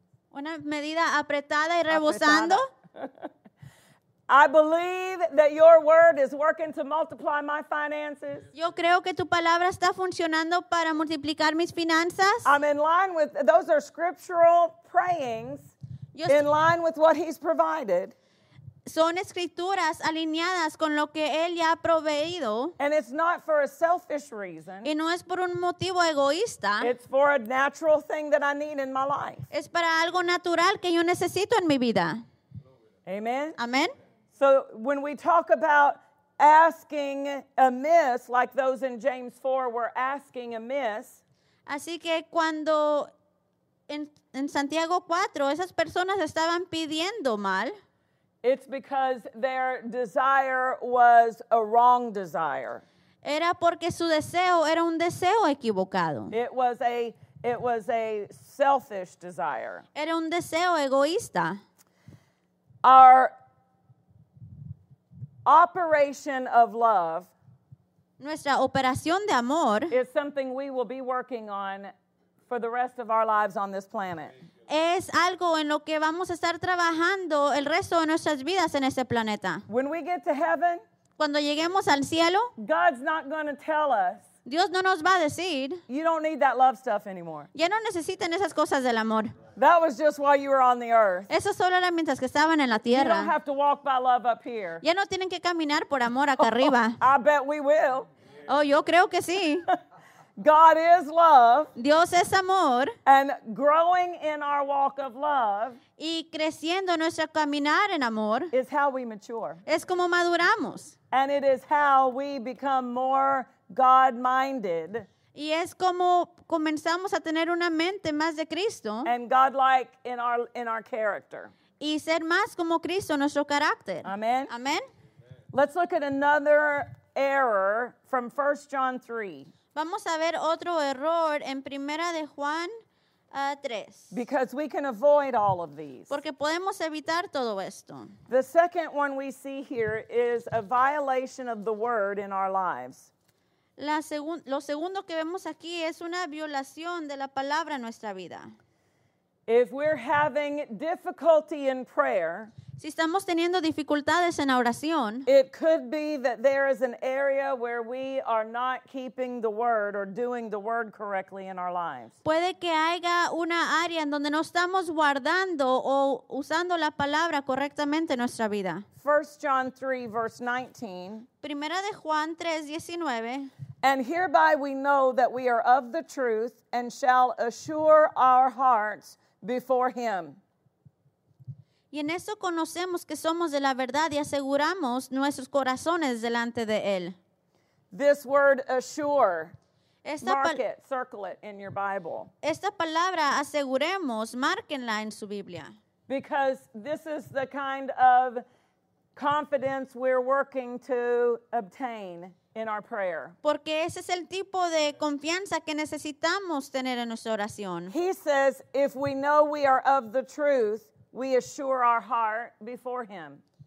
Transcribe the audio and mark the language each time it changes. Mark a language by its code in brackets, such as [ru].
[es] una medida apretada y rebosando. [en] I believe that your word is working to multiply my finances. [es] Yo creo que tu palabra está funcionando para multiplicar mis finanzas. [en] I'm in line with, those are scriptural prayings, in line with what He's provided. [es] Son escrituras alineadas con lo que Él ya ha proveído. [en] And it's not for a selfish reason. [es] Y no es por un motivo egoísta. [en] It's for a natural thing that I need in my life. [es] Es para algo natural que yo necesito en mi vida. [en] Amen. [es] Amen. [en] So when we talk about asking amiss, like those in James 4 were asking amiss. [es] Así que cuando en Santiago 4 esas personas estaban pidiendo mal. [en] It's because their desire was a wrong desire. [es] Era porque su deseo era un deseo equivocado. [en] It was a selfish desire. [es] Era un deseo egoísta. [en] Our operation of love. [es] Nuestra operación de amor [en] is something we will be working on for the rest of our lives on this planet. [es] Es algo en lo que vamos a estar trabajando el resto de nuestras vidas en este planeta. [en] When we get to heaven, [es] cuando lleguemos al cielo, [en] God's not going to tell us. [es] Dios no nos va a decir. [en] You don't need that love stuff anymore. [es] Ya no necesitan esas cosas del amor. [en] That was just while you were on the earth. [es] Eso solo era mientras que estaban en la tierra. [en] You don't have to walk by love up here. [es] Ya no tienen que caminar por amor acá arriba. [en] I bet we will. [es] Oh, yo creo que sí. [en] God is love. [es] Dios es amor. [en] And growing in our walk of love. [es] Y creciendo nuestro caminar en amor. [en] Is how we mature. [es] Es como maduramos. [en] And it is how we become more God-minded. [es] Y es como comenzamos a tener una mente más de Cristo. [en] And God-like in our character. [es] Y ser más como Cristo en nuestro carácter. [en] Amen. [es] Amen. [en] Let's look at another error from 1 John 3. [es] Vamos a ver otro error en Primera de Juan 3. [en] Because we can avoid all of these. [es] Porque podemos evitar todo esto. [en] The second one we see here is a violation of the word in our lives. [es] Lo segundo que vemos aquí es una violación de la palabra en nuestra vida. [en] If we're having difficulty in prayer, [es] si estamos teniendo dificultades en la oración, [en] it could be that there is an area where we are not keeping the word or doing the word correctly in our lives. [es] Puede que haya una área en donde no estamos guardando o usando la palabra correctamente en nuestra vida. [en] 1 John 3, verse 19. [es] Primera de Juan 3, 19. [en] And hereby we know that we are of the truth and shall assure our hearts before him. [es] Y en eso conocemos que somos de la verdad y aseguramos nuestros corazones delante de él. [en] This word assure, circle it in your Bible. [es] Esta palabra aseguremos, márquenla en su Biblia. [en] Because this is the kind of confidence we're working to obtain in our prayer. [es] Porque ese es el tipo de confianza que necesitamos tener en nuestra oración. [en] He says, if we know we are of the truth, we assure our heart before him.